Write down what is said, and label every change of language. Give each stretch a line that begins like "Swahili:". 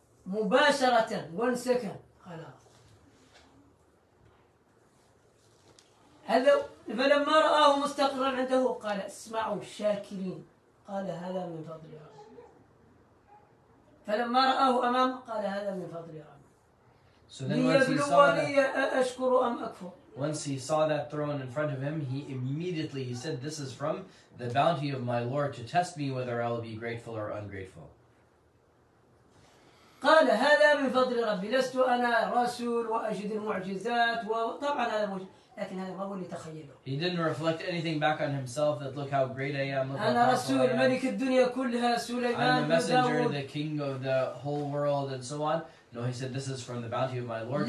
English: مباشرة, 1 second.
Arabic: هذا فلما رآه مستقرا عنده قال اسمعوا الشاكرين قال هذا من فضل ربي فلما رآه أمامه قال هذا من فضل ربي.
English: So then once he saw that,
Arabic: أشكر أم أكفر.
English: Once he saw that throne in front of him, he immediately he said, "This is from the bounty of my Lord to test me whether I will be grateful or ungrateful."
Arabic: قال هذا من فضل ربي لست أنا رسول وأجد المعجزات وطبعا هذا مش لكن هذا ما هو اللي تخيله.
English: He didn't reflect anything back on himself that look how great I am.
Arabic: أنا رسول ملك الدنيا كلها سليمان.
English: I'm the messenger, the king of the whole world, and so on. No, he said, this is from the bounty of my Lord.